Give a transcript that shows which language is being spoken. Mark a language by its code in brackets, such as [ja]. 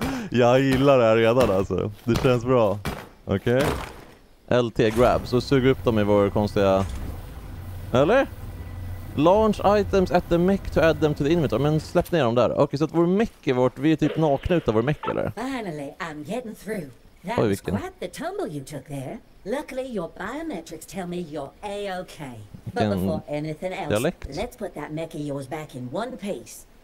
[sv] Jag gillar det här redan alltså. Det känns bra. Okej. LT grab. Så suger upp dem i vår konstiga... Eller? [en] Launch items at the mech to add them to the inventory. [sv] Men släpp ner dem där. Okej, så att vår mech är vårt... Vi är typ nakna utav vår mech eller? [en] Finally, I'm getting through. That was quite the tumble you took there. Luckily, your biometrics tell me you're A-OK. But before anything else, dialect. Let's put that mech of yours back in one piece.